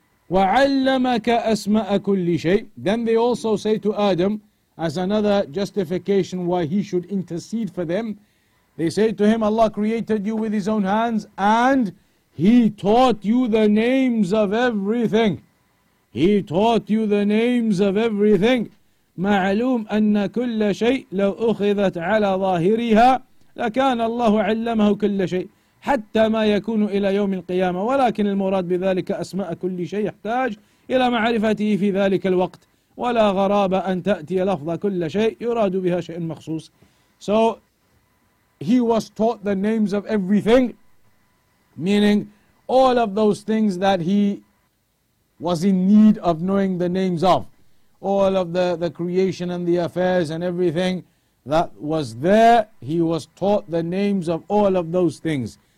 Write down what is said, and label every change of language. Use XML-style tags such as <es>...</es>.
<ar>وَعَلَّمَكَ أَسْمَأَ كُلِّ شَيْءٍ.</ar> <en>Then they also say to Adam, as another justification why he should intercede for them, they say to him, Allah created you with his own hands and he taught you the names of everything. He taught you the names of everything.</en> <ar>معلوم أن كل شيء لو أخذت على ظاهرها لكان الله علمه كل شيء حتى ما يكون إلى يوم القيامة ولكن المراد بذلك أسماء كل شيء يحتاج إلى معرفته في ذلك الوقت ولا غرابة أن تأتي لفظ كل شيء يراد بها شيء مخصوص.</ar> <en>So he was taught the names of everything, meaning all of those things that he was in need of knowing the names of, all of the creation and the affairs and everything that was there, he was taught the names of all of those things.</en>